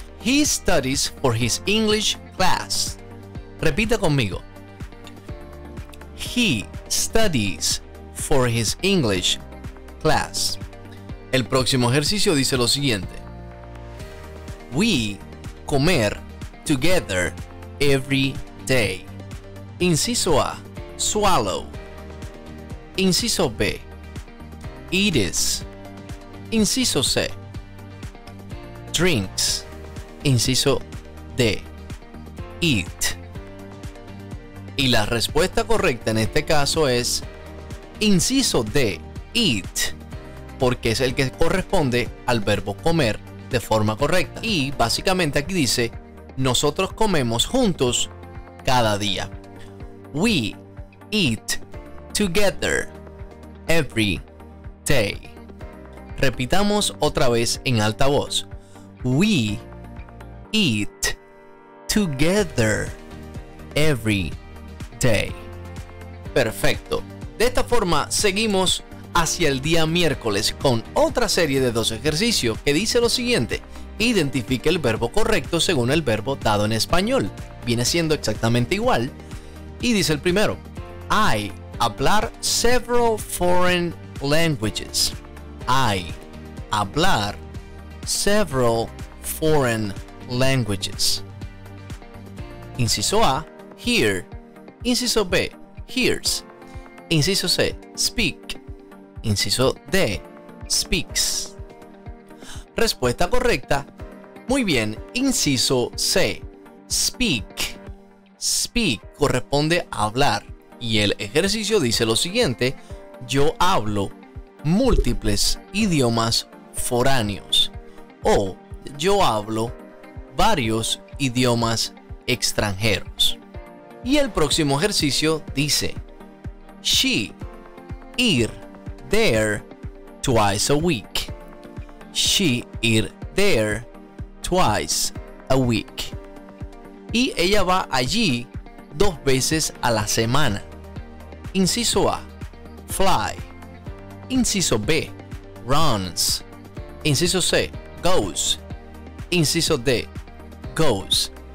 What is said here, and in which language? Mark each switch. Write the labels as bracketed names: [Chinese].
[English] He studies for his English class. [Spanish] Repita conmigo. [English] He studies for his English class. [Spanish] El próximo ejercicio dice lo siguiente. We comer together every day. Inciso A, swallow. Inciso B, eats. Inciso C, drinks. Inciso D, eat. Y la respuesta correcta en este caso es inciso D, eat, porque es el que corresponde al verbo comer de forma correcta. Y básicamente aquí dice, nosotros comemos juntos cada día. [English] We eat together every day. [Spanish] Repitamos otra vez en alta voz. [English] We eat together every day. [Spanish] Perfecto. De esta forma seguimos hacia el día miércoles con otra serie de dos ejercicios que dice lo siguiente. Identifique el verbo correcto según el verbo dado en español. Viene siendo exactamente igual. Y dice el primero. I, hablar [English] several foreign languages. I, hablar several foreign languages. [Spanish] Inciso A, hear. Inciso B, hears. Inciso C, speak. Inciso D, speaks. Respuesta correcta. Muy bien, inciso C, speak. Speak corresponde a hablar. Y el ejercicio dice lo siguiente. Yo hablo múltiples idiomas foráneos. O yo hablo varios idiomas extranjeros. Y el próximo ejercicio dice. [English] She, ir there twice a week. She ir there twice a week. [Spanish] Y ella va allí dos veces a la semana. Inciso A, fly. Inciso B, runs. Inciso C, goes. Inciso D, goes.